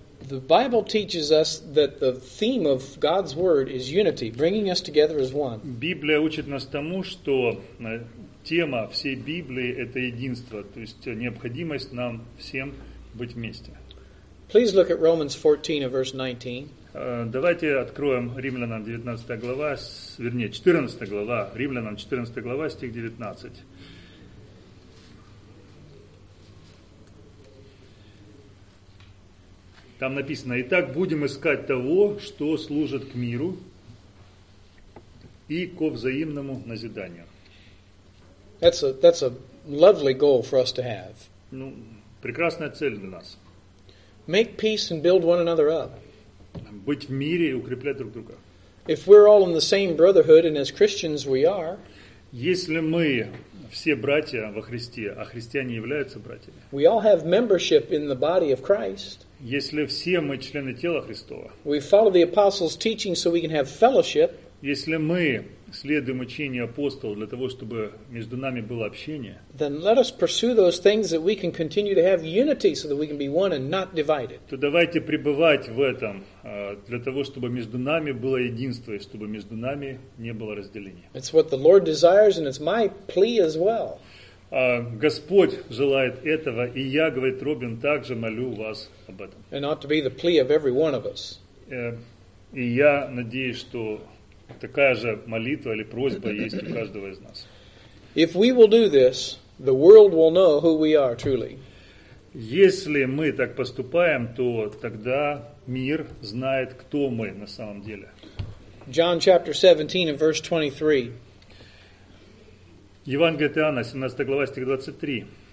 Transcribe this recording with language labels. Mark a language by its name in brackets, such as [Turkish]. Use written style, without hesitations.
[English] The Bible teaches us that the theme of God's Word is unity, bringing us together as one. [Russian] Библия учит нас тому, что тема всей Библии – это единство, то есть необходимость нам всем быть вместе. [English] Please look at Romans 14 and verse 19. [Russian] Давайте откроем Римлянам 19 глава, вернее, 14 глава, Римлянам 14 глава, стих 19. Там написано: «Итак, будем искать того, что служит к миру и ко взаимному назиданию». [English] That's a lovely goal for us to have. [Russian] Ну, прекрасная цель для нас. [English] Make peace and build one another up. [Russian] Быть в мире и укреплять друг друга. [English] If we're all in the same brotherhood and as Christians we are. [Russian] Если мы все братья во Христе, а христиане являются братьями. [English] We all have membership in the body of Christ. [Russian] Если все мы члены тела Христова. [English] We follow the apostles' teaching so we can have fellowship. [Russian] если мы следуем учению апостолов для того, чтобы между нами было общение, [English] then let us pursue those things that we can continue to have unity so that we can be one and not divided. [Russian] То давайте пребывать в этом для того, чтобы между нами было единство и чтобы между нами не было разделения. [English] It's what the Lord desires and it's my plea as well. [Russian] Господь желает этого, и я, говорит Робин, также молю вас об этом. [English] And ought to be the plea of every one of us. [Russian] И я надеюсь, что такая же молитва или просьба есть у каждого из нас. [English] If we will do this, the world will know who we are truly. [Russian] Если мы так поступаем, то тогда мир знает, кто мы на самом деле. [English] John chapter 17 and verse 23. [Russian] Евангелие от Иоанна, 17 глава, стих 23.